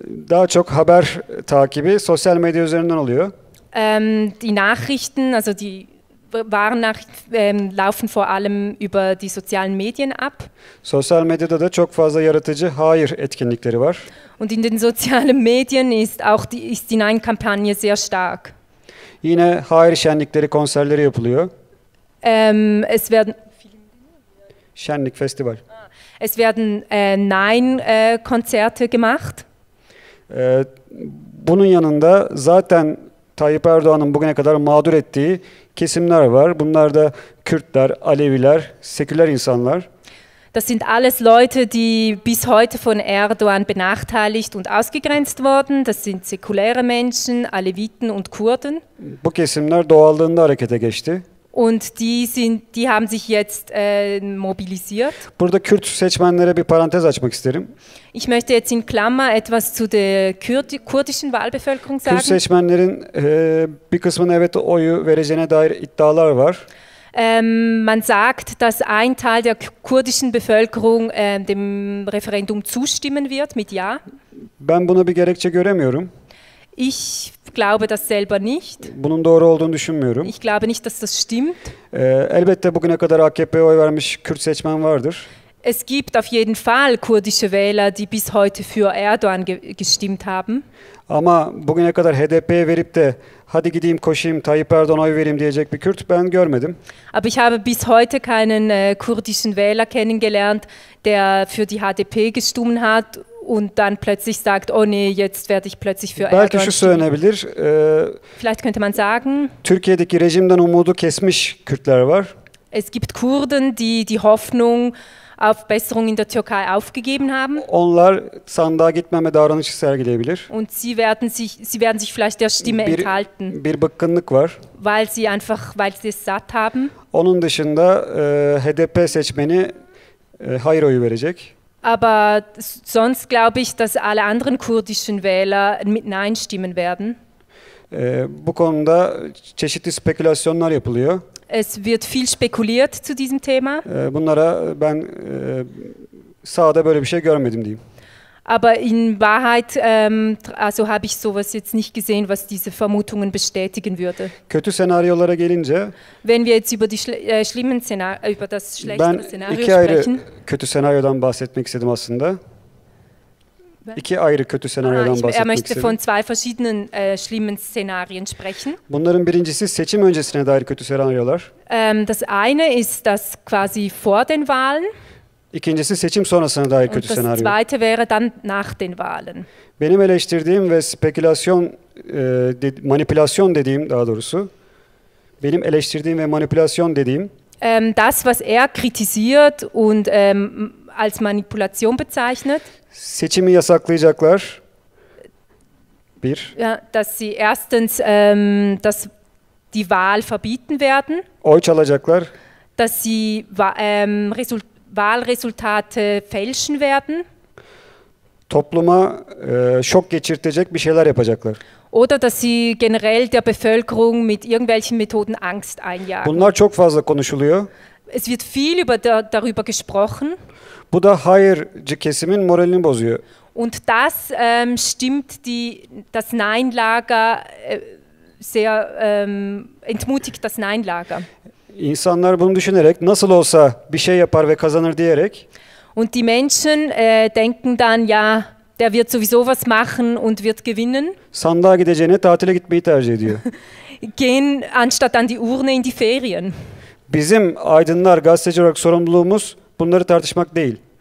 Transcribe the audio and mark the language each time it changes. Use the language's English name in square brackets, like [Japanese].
[Turkish] Daha çok haber takibi sosyal medya üzerinden oluyor. [German] Die Nachrichten, also die Warennachrichten laufen vor allem über die sozialen Medien ab. [Turkish] Sosyal medyada da çok fazla yaratıcı hayır etkinlikleri var. [German] Und in den sozialen Medien ist die Nein-Kampagne sehr stark. [Turkish] Yine hayır şenlikleri, konserleri yapılıyor. [German] Es werden [Turkish] Şenlik Festival. [German] Es werden Nein-Konzerte gemacht. [Turkish] Bunun yanında zaten Tayyip Erdoğan'ın bugüne kadar mağdur ettiği kesimler var. Bunlar da Kürtler, Aleviler, seküler insanlar. [German] Das sind alles Leute, die bis heute von Erdoğan benachteiligt und ausgegrenzt wurden. Das sind säkulere Menschen, Aleviten und Kurden. [Turkish] Bu kesimler doğallığında harekete geçti. [German] Und die haben sich jetzt mobilisiert. [Turkish] Burada Kürt seçmenlere bir parantez açmak isterim. [German] Ich möchte jetzt in Klammer etwas zu der kurdischen Wahlbevölkerung sagen. [Turkish] Kürt seçmenlerin bir kısmının evet oyu vereceğine dair iddialar var. [German] Man sagt, dass ein Teil der kurdischen Bevölkerung dem Referendum zustimmen wird mit Ja. [Turkish] Ben buna bir gerekçe göremiyorum. [German] Ich glaube das selber nicht. [Turkish] Bunun doğru olduğunu düşünmüyorum. [German] Ich glaube nicht, dass das stimmt. [Turkish] Elbette bugüne kadar AKP'ye oy vermiş Kürt seçmen vardır. [German] Es gibt auf jeden Fall kurdische Wähler, die bis heute für Erdogan gestimmt haben. [Turkish] Ama bugüne kadar HDP'ye verip de hadi gideyim koşayım Tayyip Erdoğan'a oy vereyim diyecek bir Kürt ben görmedim. [German] Aber ich habe bis heute keinen kurdischen Wähler kennengelernt, der für die HDP gestimmt hat und dann plötzlich sagt, oh nee, jetzt werde ich plötzlich für [Turkish] Erdoğan. Belki şu söylenebilir. [German] Vielleicht könnte man sagen, [Turkish] Türkiye'deki rejimden umudu kesmiş Kürtler var. [German] Es gibt Kurden, die Hoffnung auf Besserung in der Türkei aufgegeben haben. [Turkish] Onlar sandığa gitmeme davranışı sergileyebilir. [German] Und sie werden sich vielleicht der Stimme enthalten. [Turkish] Bir bıkkınlık var. [German] Weil sie es satt haben. [Turkish] Onun dışında HDP seçmeni hayır oyu verecek. [German] Aber sonst glaube ich, dass alle anderen kurdischen Wähler mit Nein stimmen werden. [Turkish] Bu konuda çeşitli spekülasyonlar yapılıyor. [German] Es wird viel spekuliert zu diesem Thema. [Turkish] Bunlara ben sahada böyle bir şey görmedim diyeyim. [German] Aber in Wahrheit also habe ich sowas jetzt nicht gesehen, was diese Vermutungen bestätigen würde. [Turkish] Kötü senaryolara gelince, [German] wenn wir jetzt über die schlimmen Szenarien, über das schlechte Szenario sprechen. [Turkish] Ben iki ayrı kötü senaryodan bahsetmek istedim aslında. İki ayrı kötü senaryodan bahsetmek istedim. [German] Er möchte von zwei verschiedenen schlimmen Szenarien sprechen. [Turkish] Bunların birincisi seçim öncesine dair kötü senaryolar. [German] Das eine ist das quasi vor den Wahlen. [Turkish] İkincisi seçim sonrasına dair kötü senaryo. [German] Und das zweite wäre dann nach den Wahlen. [Turkish] Benim eleştirdiğim ve spekülasyon, manipülasyon dediğim daha doğrusu, benim eleştirdiğim ve manipülasyon dediğim. [German] Das, was kritisiert und als Manipulation bezeichnet. [Turkish] Seçimi yasaklayacaklar. Bir. [German] Ja, dass sie erstens dass die Wahl verbieten werden. [Turkish] Oy çalacaklar. [German] Dass sie Wahlresultate fälschen werden. [Turkish] Topluma şok geçirtecek bir şeyler yapacaklar. [German] Oder dass sie generell der Bevölkerung mit irgendwelchen Methoden Angst einjagen. [Turkish] Bunlar çok fazla konuşuluyor. [German] Es wird viel darüber gesprochen. [Turkish] Bu da hayırcı kesimin moralini bozuyor. [German] Und das stimmt das Nein-Lager sehr entmutigt das Nein-Lager. [Turkish] İnsanlar bunu düşünerek nasıl olsa bir şey yapar ve kazanır diyerek. [German] Und die Menschen denken dann ja, der wird sowieso was machen und wird gewinnen. [Turkish] Sandığa gideceğine tatile gitmeyi tercih ediyor. [German] Gehen anstatt an die Urne in die Ferien. [Turkish] Bizim aydınlar gazeteci olarak sorumluluğumuz bunları tartışmak değil.